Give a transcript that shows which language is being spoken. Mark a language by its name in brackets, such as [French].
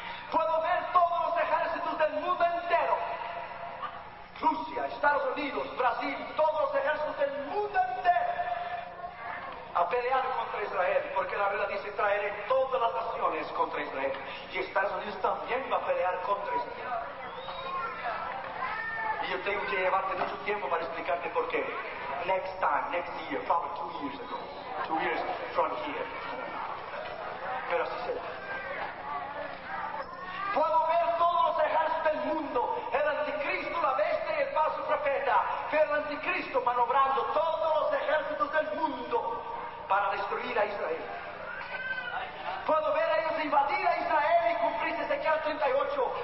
[Spanish] Puedo ver todos los ejércitos del mundo entero. Rusia, Estados Unidos, Brasil, todos los ejércitos del mundo entero a pelear contra Israel, porque la Biblia dice traeré todas las naciones contra Israel, y Estados Unidos también va a pelear contra Israel. Y yo tengo que llevarte mucho tiempo para explicarte por qué. [English] Next time, next year, probably 2 years ago, 2 years from here. [Spanish] Pero así será. Puedo ver todos los ejércitos del mundo, el anticristo, la bestia y el falso profeta, pero el anticristo manobrando todos los ejércitos del mundo para destruir a Israel. Puedo ver a ellos invadir a Israel y cumplir Ezequiel 38.